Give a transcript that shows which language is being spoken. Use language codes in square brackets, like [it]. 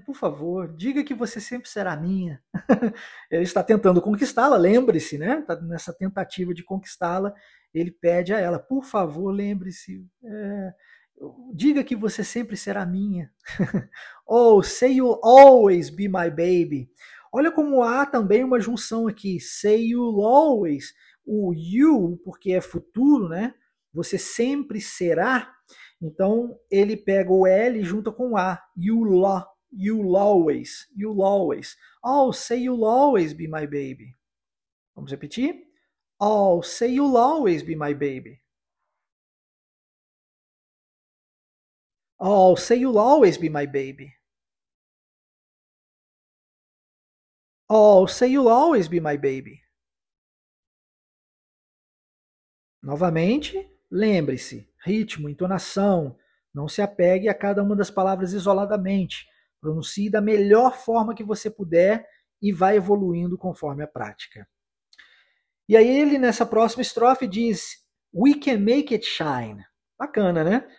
[pt] Por favor, diga que você sempre será minha. Ele está tentando conquistá-la, lembre-se, né? Tá nessa tentativa de conquistá-la, ele pede a ela, por favor, lembre-se, diga que você sempre será minha. [en] Oh, say you'll always be my baby. [pt] Olha como há também uma junção aqui, [en] say you'll always, [pt] o you, porque é futuro, né? Você sempre será. Então, ele pega o L junto com o A, you'll. [en] You'll always, oh, say you'll always be my baby. [pt] Vamos repetir? [en] Oh, say you'll always be my baby. Oh, say you'll always be my baby. Oh, say you'll always be my baby. [pt] Novamente, lembre-se, ritmo, entonação, não se apegue a cada uma das palavras isoladamente. Pronuncie da melhor forma que você puder e vai evoluindo conforme a prática. E aí ele, nessa próxima estrofe, diz, [en] We can make it shine. [pt] Bacana, né?